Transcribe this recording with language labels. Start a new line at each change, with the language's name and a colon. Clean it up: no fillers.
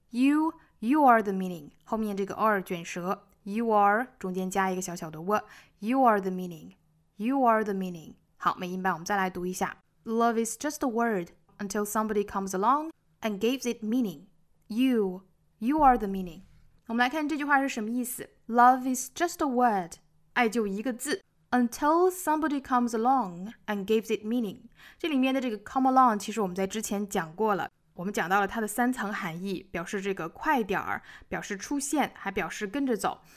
English: You are the meaning.
Chinese: 后面这个
English: are
Chinese: 卷舌，
English: you are
Chinese: 中间加一个小小的
English: w， you are the meaning. You are the meaning.
Chinese: 好，美音版我们再来读一下。
English: Love is just a word until somebody comes along and gives it meaning. You are the meaning.
Chinese: 我们来看这句话是什么意思。
English: Love is just a word.
Chinese: 爱就一个字。
English: Until somebody comes along and gives it meaning.
Chinese: 这里面的这个 come along 其实我们在之前讲过了。我们讲到了它的三层含义，表示这个快点儿，表示出现，还表示跟着走。